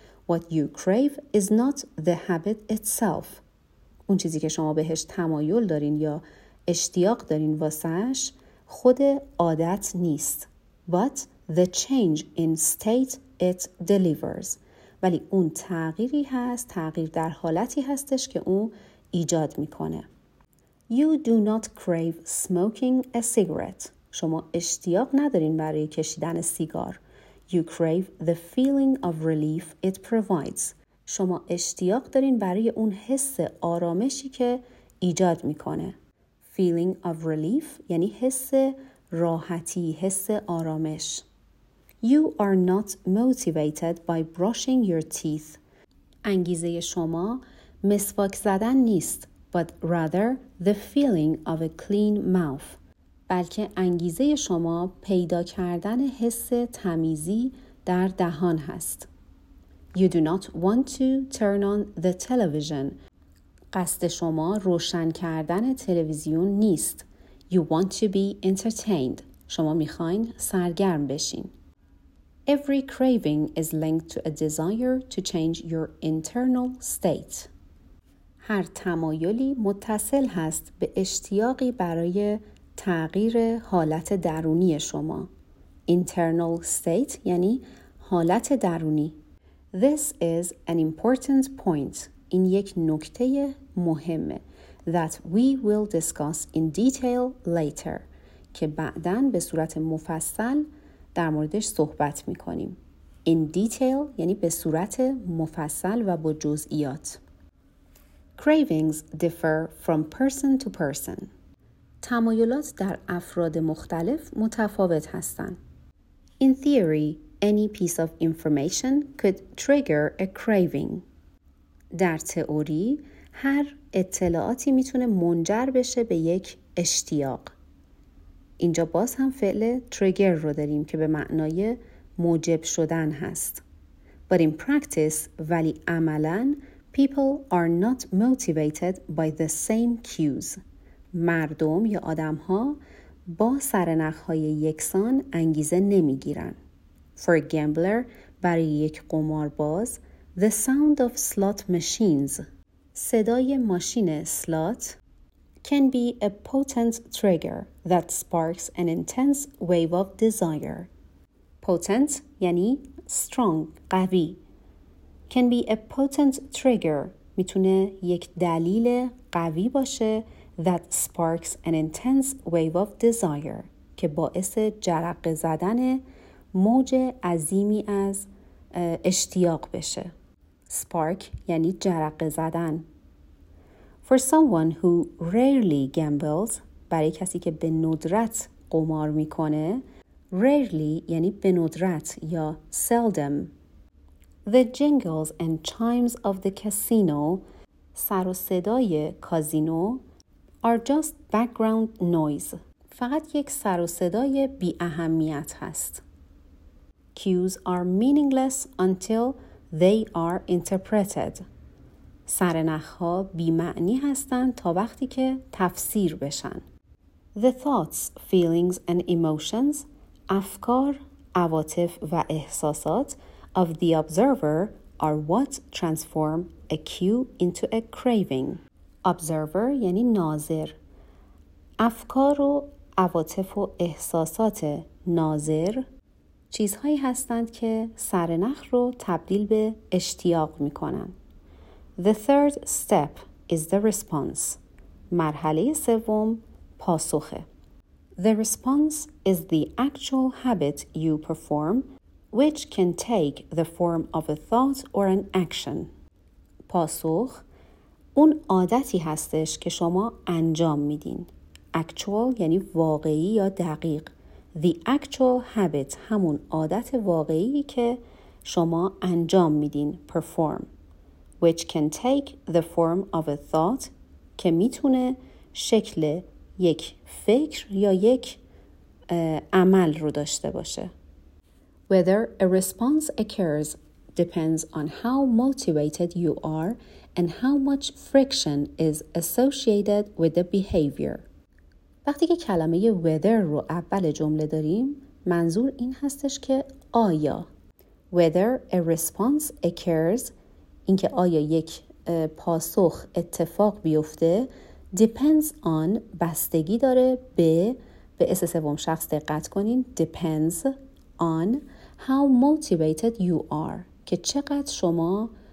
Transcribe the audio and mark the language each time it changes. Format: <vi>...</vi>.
<en>What you crave is not the habit itself،</en> <fa>اون چیزی که شما بهش تمایل دارین یا اشتیاق دارین واسهش خود عادت نیست.</fa> <en>But the change in state it delivers،</en> <fa>ولی اون تغییری هست، تغییر در حالتی هستش که اون ایجاد میکنه.</fa> <en>You do not crave smoking a cigarette،</en> <fa>شما اشتیاق ندارین برای کشیدن سیگار.</fa> <en>You crave the feeling of relief it provides،</en> <fa>شما اشتیاق دارین برای اون حس آرامشی که ایجاد میکنه.</fa> <en>Feeling of relief</en> <fa>یعنی حس راحتی، حس آرامش.</fa> <en>You are not motivated by brushing your teeth،</en> <fa>انگیزه شما مسواک زدن نیست،</fa> <en>but rather the feeling of a clean mouth،</en> <fa>بلکه انگیزه شما پیدا کردن حس تمیزی در دهان هست.</fa> <en>You do not want to turn on the television،</en> <fa>قصد شما روشن کردن تلویزیون نیست.</fa> <en>You want to be entertained،</en> <fa>شما میخواین سرگرم بشین.</fa> <en>Every craving is linked to a desire to change your internal state،</en> <fa>هر تمایلی متصل هست به اشتیاقی برای تغییر حالت درونی شما.</fa> <en>Internal state یعنی حالت درونی. This is an important point،</en> <fa>این یک نکته مهمه.</fa> <en>That we will discuss in detail later،</en> <fa>که بعداً به صورت مفصل در موردش صحبت میکنیم. In detail یعنی به صورت مفصل و با جزئیات.</fa> <en>Cravings differ from person to person،</en> <fa>تمایلات در افراد مختلف متفاوت هستند.</fa> <en>In theory، any piece of information could trigger a craving،</en> <fa>در تئوری هر اطلاعاتی میتونه منجر بشه به یک اشتیاق. اینجا باز هم فعل trigger رو داریم که به معنای موجب شدن هست.</fa> <en>But in practice،</en> <fa>ولی عملاً،</fa> <en>people are not motivated by the same cues،</en> <fa>مردم یا آدم ها با سرنخ‌های یکسان انگیزه نمی‌گیرن.</fa> <en>For a gambler،</en> <fa>برای یک قمارباز،</fa> <en>the sound of slot machines،</en> <fa>صدای ماشین سلات،</fa> <en>can be a potent trigger that sparks an intense wave of desire.</en> <fa>Potent یعنی strong، قوی.</fa> <en>Can be a potent trigger،</en> <fa>میتونه یک دلیل قوی باشه،</fa> <en>that sparks an intense wave of desire،</en> <fa>که باعث جرقه زدن موج عظیمی از اشتیاق بشه. Spark یعنی جرقه زدن.</fa> <en>For someone who rarely gambles،</en> <fa>برای کسی که به ندرت قمار میکنه، rarely یعنی به ندرت یا seldom،</fa> <en>the jingles and chimes of the casino،</en> <fa>سر و صدای کازینو،</fa> <en>are just background noise،</en> <fa>فقط یک سر و صدای بی اهمیت هست.</fa> <en>Cues are meaningless until they are interpreted،</en> <fa>سرنخ ها بی معنی هستند تا وقتی که تفسیر بشن.</fa> <en>The thoughts, feelings and emotions،</en> <fa>افکار، عواطف و احساسات</fa> <en>of the observer are what transform a cue into a craving.</en> <fa>Observer یعنی ناظر. افکار و عواطف و احساسات ناظر چیزهایی هستند که سرنخ رو تبدیل به اشتیاق میکنن.</fa> <en>The third step is the response،</en> <fa>مرحله سوم پاسخه.</fa> <en>The response is the actual habit you perform، which can take the form of a thought or an action. پاسخ</en> <fa>اون عادتی هستش که شما انجام میدین. Actual یعنی واقعی یا دقیق.</fa> <en>The actual habit</en> <fa>همون عادت واقعی که شما انجام میدین.</fa> <en>Perform. Which can take the form of a thought</en> <fa>که میتونه شکل یک فکر یا یک عمل رو داشته باشه.</fa> <en>Whether a response occurs depends on how motivated you are and how much friction is associated with the behavior.</en> <fa>وقتی که کلمه whether رو اول جمله داریم، منظور این هستش که آیا.</fa> <en>Whether a response occurs،</en> <fa>اینکه آیا یک پاسخ اتفاق بیفته، depends on، بستگی داره به اس سوم شخص دقت کنین،</fa> <en>depends on how motivated you are،</en> <fa>که چقدر شما</fa>